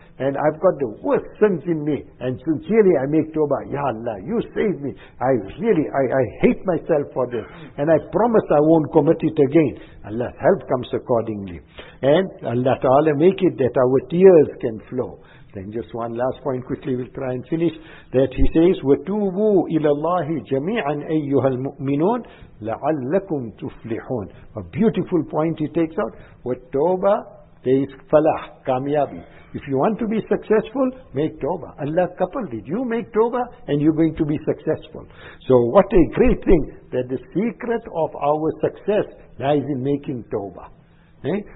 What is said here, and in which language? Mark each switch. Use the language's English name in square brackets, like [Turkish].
[English] And I've got the worst sins in me. And sincerely I make tawbah. Ya Allah, you save me. I really hate myself for this. And I promise I won't commit it again. Allah's help comes accordingly. And Allah Ta'ala make it that our tears can flow. Then just one last point quickly, we'll try and finish. That he says, [Arabic] وَتُوبُوا إِلَى اللَّهِ جَمِيعًا أَيُّهَا الْمُؤْمِنُونَ لَعَلَّكُمْ تُفْلِحُونَ. [English] A beautiful point he takes out. [Arabic] وَتُوبَ, [English] there is falah, kamyabi. If you want to be successful, make tawbah. Allah coupled it. You make tawbah and you're going to be successful. So what a great thing that the secret of our success lies in making tawbah. Eh?